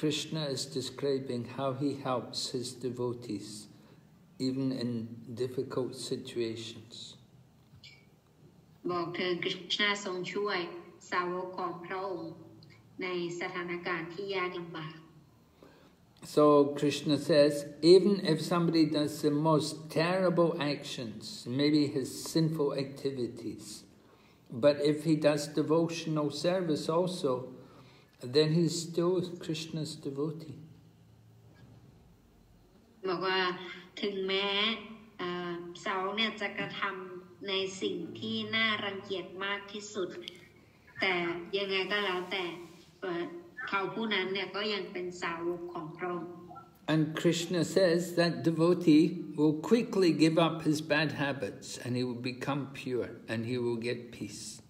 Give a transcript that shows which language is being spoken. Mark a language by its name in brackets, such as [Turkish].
[English] Krishna is describing how he helps his devotees, even in difficult situations. [Thai] บอกเธอคริสนาทรงช่วยสาวกของพระองค์ในสถานการณ์ที่ยากลำบาก [English] So Krishna says even if somebody does the most terrible actions maybe his sinful activities but if he does devotional service also then he's still Krishna's devotee [Thai] บอกว่าถึงแม้สาวกเนี่ยจะกระทำในสิ่งที่น่ารังเกียจมากที่สุดแต่ยังไงก็แล้วแต่เขาผู้นั้นเนี่ยก็ยังเป็นสาวกของพระองค์ [English] And Krishna says that devotee will quickly give up his bad habits and he will become pure and he will get peace